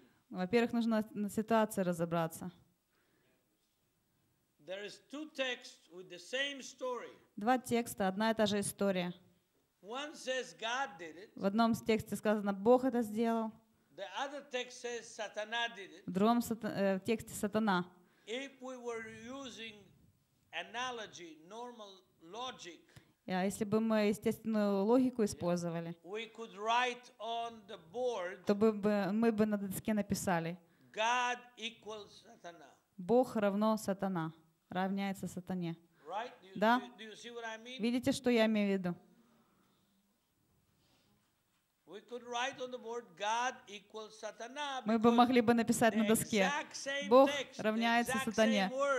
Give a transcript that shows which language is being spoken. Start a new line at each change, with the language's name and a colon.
Russian: Во-первых, нужно на ситуации разобраться.
English: There is two texts with the same story.
Russian: Два текста, одна и та же история.
English: One says God did it.
Russian: В одном тексте сказано, Бог это сделал.
English: The other text says Satana did it.
Russian: В другом тексте сатана.
English: If we were using analogy, normal logic,
Russian: yeah, если бы мы естественную логику использовали,
English: we could write on the board,
Russian: то бы мы бы на доске написали
English: God equals Satana.
Russian: Бог равно сатана, равняется сатане.
English: Right? Do you,
Russian: да?
English: Do you see what I mean?
Russian: Видите, что я имею в виду?
English: We could write on the board God equals Satana.
Russian: Мы бы могли бы написать на доске Бог равняется сатане.